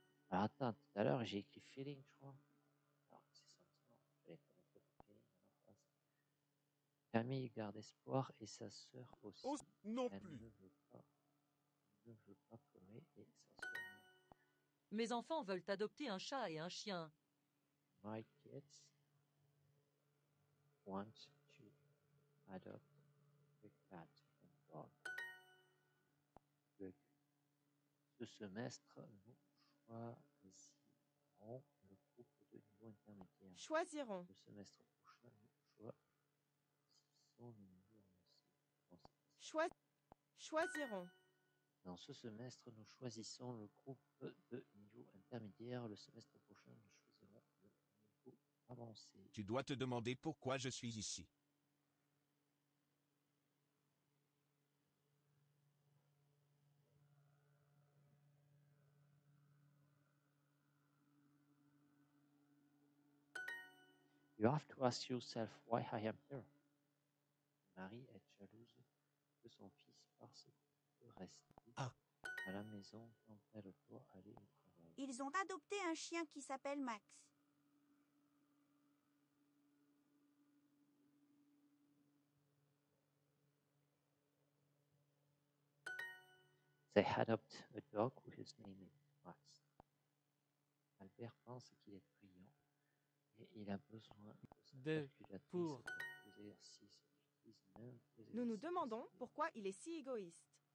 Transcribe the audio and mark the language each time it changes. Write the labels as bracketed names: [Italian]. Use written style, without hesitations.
[French] Alors attends, tout à l'heure j'ai écrit feeling, je crois. Alors c'est sentiment. J'allais connaître le feeling à la phrase. Camille garde espoir et sa sœur aussi. Oh, non elle plus. Ne veut pas pleurer et sa sœur. Mes enfants veulent adopter un chat et un chien. [English] My kids want to adopt a cat and dog. Good. [French] Ce semestre, nous choisirons le groupe de niveau intermédiaire. Choisirons. Le semestre prochain, nous choisirons le niveau intermédiaire. Choisirons. Dans ce semestre, nous choisissons le groupe de niveau intermédiaire. Le semestre prochain, nous choisirons le niveau avancé. Tu dois te demander pourquoi je suis ici. [English] You have to ask yourself why I am here. [French] Marie est jalouse de son fils parce que reste à la maison quand elle doit aller au travail. Ils ont adopté un chien qui s'appelle Max. [English] They adopt a dog whose name is Max. [French] Albert pense qu'il est brillant et il a besoin de pour les exercices. Nous nous demandons pourquoi il est si égoïste.